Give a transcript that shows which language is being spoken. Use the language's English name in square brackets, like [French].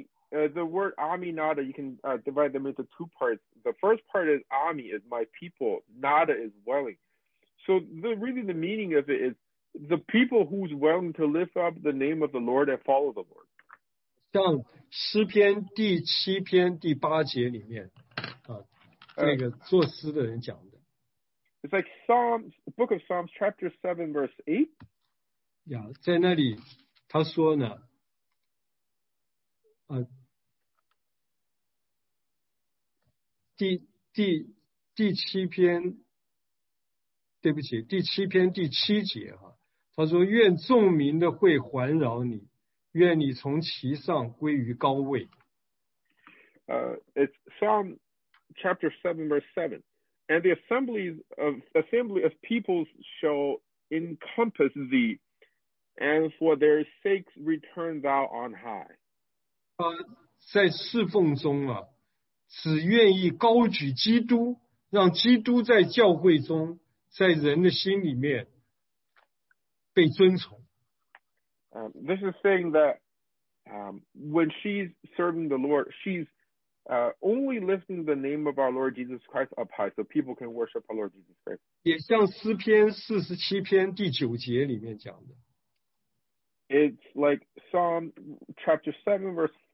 [English] The word Ami Nada, you can divide them into two parts. The first part is Ami is my people, Nada is willing. So the meaning of it is the people who's willing to lift up the name of the Lord and follow the Lord. [Chinese] 像诗篇第七篇第八节里面，这个作诗的人讲的。 [English] It's like Psalms, the book of Psalms, chapter 7, verse 8. [Chinese] Yeah, 在那里他说呢，第七篇，对不起，第七篇第七节哈，他说：“愿众民的会环绕你，愿你从其上归于高位。” [English] It's Psalm chapter 7 verse 7, and the assembly of peoples shall encompass thee, and for their sakes return thou on high. [Chinese] 在侍奉中啊，只愿意高举基督，让基督在教会中，在人的心里面被尊崇。 [English] This is saying that when she's serving the Lord, she's only lifting the name of our Lord Jesus Christ up high, so people can worship our Lord Jesus Christ. [Chinese] 也像诗篇四十七篇第九节里面讲的。 [English] It's like Psalm chapter 7 verse